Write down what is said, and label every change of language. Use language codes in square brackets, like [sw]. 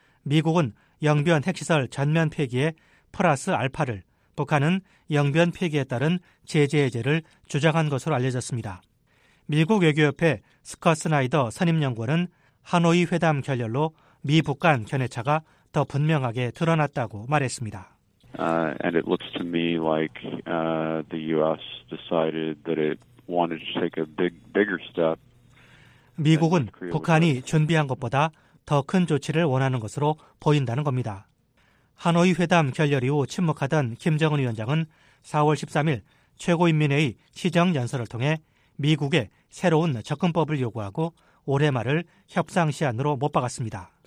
[ko] 미국은 영변 핵시설 전면 폐기에 플러스 알파를, 북한은 영변 폐기에 따른 제재 해제를 주장한 것으로 알려졌습니다. 미국 외교협회 스콧 스나이더 선임연구원은 하노이 회담 결렬로 미북 간 견해차가 더 분명하게 드러났다고 말했습니다. [en] And it looks to me like the U.S. decided that it wanted to take a bigger step. [ko] 미국은 북한이 준비한 것보다 더 큰 조치를 원하는 것으로 보인다는 겁니다. 하노이 회담 결렬 이후 침묵하던 김정은 위원장은 4월 13일 최고인민회의 시정연설을 통해 미국의 새로운 접근법을 요구하고 올해 말을 협상 시한으로 못 박았습니다.